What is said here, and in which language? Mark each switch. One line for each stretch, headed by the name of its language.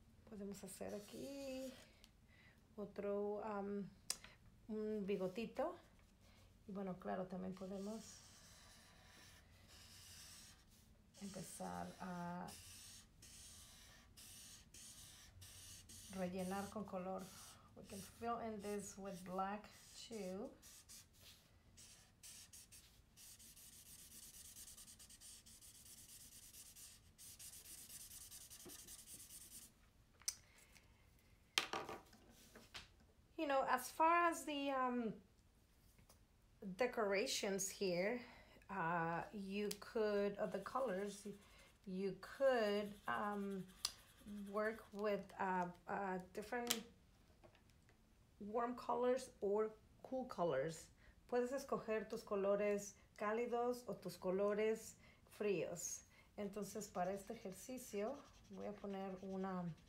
Spanish: Podemos hacer aquí otro un bigotito. Y bueno, claro, también podemos empezar a rellenar con color.
English: We can fill in this with black too. You know, as far as the decorations here, the colors, you could work with different warm colors or cool colors.
Spanish: Puedes escoger tus colores cálidos o tus colores fríos. Entonces, para este ejercicio, voy a poner una...